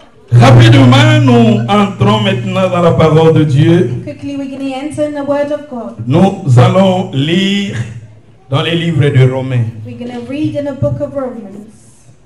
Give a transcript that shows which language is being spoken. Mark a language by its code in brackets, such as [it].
[fr] Rapidement, nous entrons maintenant dans la parole de Dieu. [en] Quickly, we're going to enter in the word of God. [fr] Nous allons lire dans les livres de Romains. [en] We're going to read in the book of Romans.